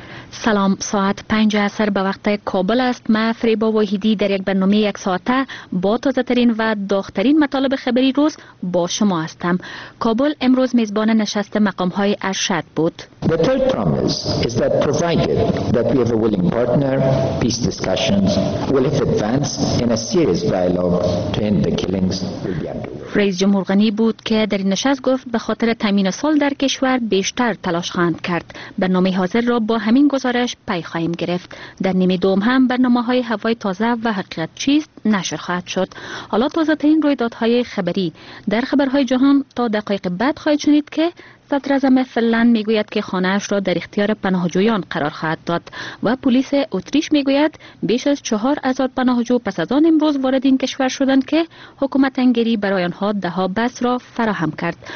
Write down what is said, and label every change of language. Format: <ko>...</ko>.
<fa>سلام، ساعت 5 عصر به وقت کابل است. ما فریبا واحدی در یک برنامه یک ساعته با تازه ترین و داخترین مطالب خبری روز با شما هستم. کابل امروز میزبان نشست مقام های ارشد بود.</fa> <en>The third promise is that provided that we have a willing partner, peace discussions will have advanced in a serious dialogue to end the killings will be underway.</en> <fa>رئیس جمهور غنی بود که در این نشست گفت به خاطر تامین سال در کشور بیشتر تلاش خواهند کرد. برنامه حاضر را با همین گزارش پی خواهیم گرفت. در نیمه دوم هم برنامه های هوای تازه و حقیقت چیست نشر خواهد شد. حالا تازه ترین رویدادهای خبری در خبرهای جهان تا دقایق بعد خواهید شنید که صدر اعظم فنلند میگوید که خانه اش را در اختیار پناهجویان قرار خواهد داد و پلیس اتریش میگوید بیش از 4000 پناهجو پس از آن امروز وارد این کشور شدند که حکومت انگلی برای آنها ده‌ها بس را فراهم کرد.</fa>